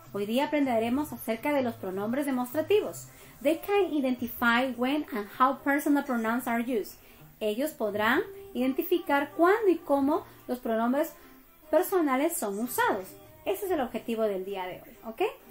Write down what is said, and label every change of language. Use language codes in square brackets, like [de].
[es] Hoy día aprenderemos acerca de los pronombres demostrativos. [en] They can identify when and how personal pronouns are used. [es] Ellos podrán identificar cuándo y cómo los pronombres personales son usados. Ese es el objetivo del día de hoy, ¿ok?